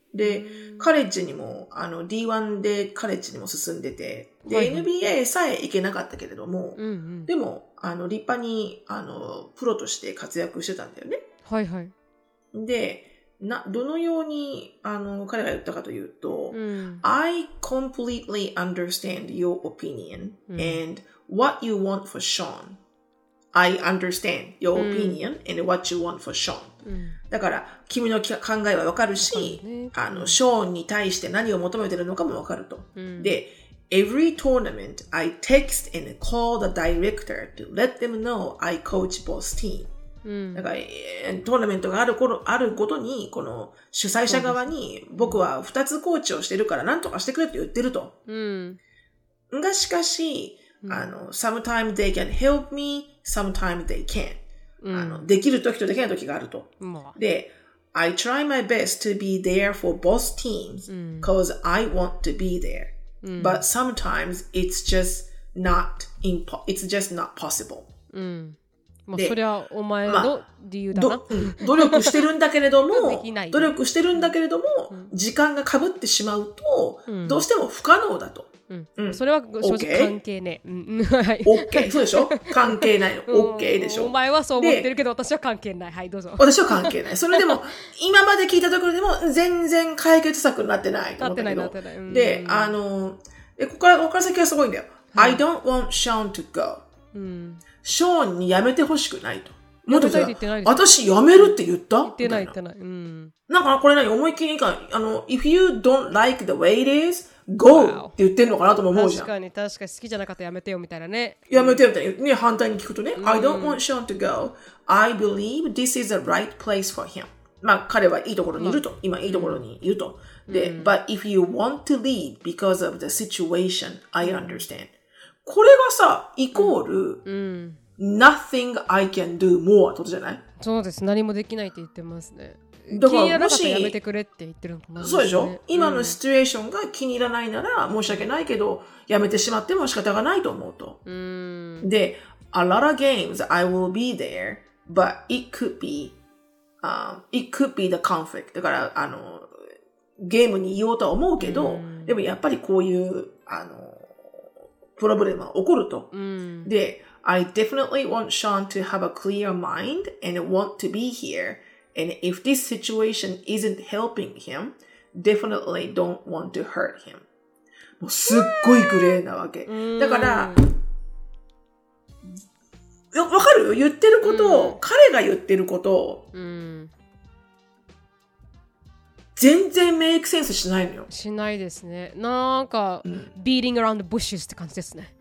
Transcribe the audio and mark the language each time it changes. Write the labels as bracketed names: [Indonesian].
[Japanese] で、カレッジにも、D1 でカレッジにも進んでて、で、はいはい、NBA さえ行けなかったけれども、うんうん、でも、立派に、プロとして活躍してたんだよね。はいはい。で、どのように彼が言ったかというと、うん、 [English] I completely understand your opinion、うん、and what you want for Sean. I understand your opinion、うん、and what you want for Sean.、 [Japanese] うん、だから、君の考えはわかるし、ショーンに対して何を求めてるのかもわかると、うん。 [English] で、Every tournament, I text and call the director to let them know I coach both teams. [Japanese] うん、だからトーナメントがある頃、あることに、この主催者側に、僕は二つコーチをしてるから何とかしてくれって言ってると。うん、が、しかし、 [English] sometimes they can help me, sometimes they can't、 [Japanese] うん。できる時とできない時があると。うん、 [English] で、I try my best to be there for both teams, cause I want to be there.、 [Japanese] うん、 [English] But sometimes it's just not, it's just not possible.、 [Japanese] うんまあ、それはお前の理由だな、努力してるんだけれども、できない、努力してるんだけれども、うん、時間が被ってしまうと、うん、どうしても不可能だと。うんうん、それは正直関係ねえ。オッケー、そうでしょ、関係ない。オッケーでしょ。お前はそう思ってるけど、私は関係ない。はい、どうぞ。私は関係ない。それでも、今まで聞いたところでも、全然解決策になってないと思ったけど。なってない、なってない。うん、で、ここから先はすごいんだよ。 [English] はい、I don't want Sean to go.、 [Japanese] うんショーンに辞めてほしくないと。もっと言ってないです。私辞めるって言った？言ってない、言ってない。うん。なんかこれ何、思いっきりか、 [English] if you don't like the way it is, go!、Wow. [Japanese] って言ってんのかなとも思うじゃん。確かに、確かに好きじゃなかったら辞めてよみたいなね。辞めてよみたいな。ね、反対に聞くとね、うん。 [English] I don't want Sean to go. I believe this is the right place for him. [Japanese] まあ彼はいいところにいると。今いいところにいると。うん、で、うん、 [English] but if you want to leave because of the situation, I understand.、 [Japanese] うんこれがさ、イコール、うん、 [English] nothing I can do more [Japanese] ってことじゃない？そうです。何もできないって言ってますね。だから、気に入らなかったらやめてくれって言ってるのかな、ね。そうでしょ、うん、今のシチュエーションが気に入らないなら申し訳ないけど、やめてしまっても仕方がないと思うと。うん、 [English] で、a lot of games I will be there, But it could be、it could be the conflict. [Japanese] だからあのゲームに言おうとは思うけど、うん、でもやっぱりこういうあのプロブレムは起こると、うん、 [English] で I definitely want Sean to have a clear mind and want to be here. And if this situation isn't helping him, definitely don't want to hurt him. [Japanese] もうすっごいグレーなわけ。だから、わかるよ。言ってることを、彼が言ってることを、全然メイクセンスしないのよ。しないですね。なんか、うん、 [English] beating around the bushes [Japanese] って感じですね。